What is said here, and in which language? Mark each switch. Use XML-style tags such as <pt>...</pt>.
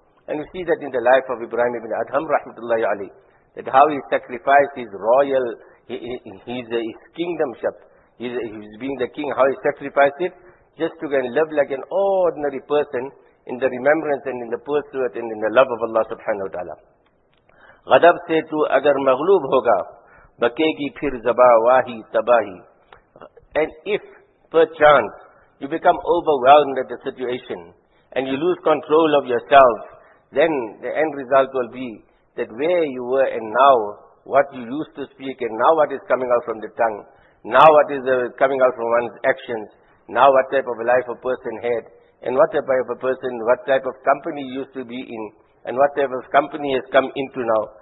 <en>And you see that in the life of Ibrahim ibn Adham, rahmatullahi alayhi, that how he sacrificed his royal, his kingdom, he's being the king, how he sacrificed it, just to go and live like an ordinary person, in the remembrance and in the pursuit and in the love of Allah subhanahu wa ta'ala.</en> <ur>غضب سے تو اگر مغلوب ہوگا بکے گی پھر زبا واہی تباہی.</ur> <en>And if per chance you become overwhelmed at the situation and you lose control of yourself then the end result will be that where you were and now, what you used to speak and now what is coming out from the tongue, now what is coming out from one's actions, now what type of life a person had, and what type of a person, what type of company he used to be in, and what type of company has come into now.</en>